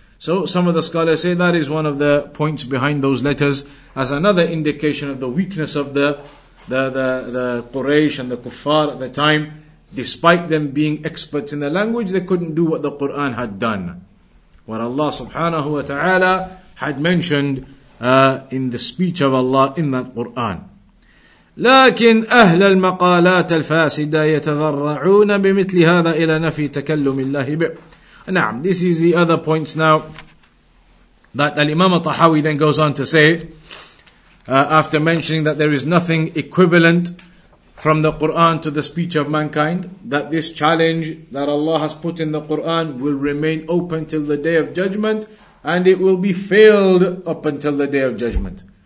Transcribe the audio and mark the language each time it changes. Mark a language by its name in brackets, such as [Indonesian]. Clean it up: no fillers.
[English] So some of the scholars say that is one of the points behind those letters as another indication of the weakness of the Quraysh and the Kuffar at the time. Despite them being experts in the language, they couldn't do what the Quran had done. What Allah subhanahu wa ta'ala had mentioned in the speech of Allah in that Quran. [Arabic] لكن أهل المقالات الفاسدة يتذرعون بمثل هذا إلى نفي تكلم الله به. [English] نعم, this is the other points now that Al-Imam al-Tahawi then goes on to say, after mentioning that there is nothing equivalent from the Qur'an to the speech of mankind, that this challenge that Allah has put in the Qur'an will remain open till the Day of Judgment, and it will be failed up until the Day of Judgment.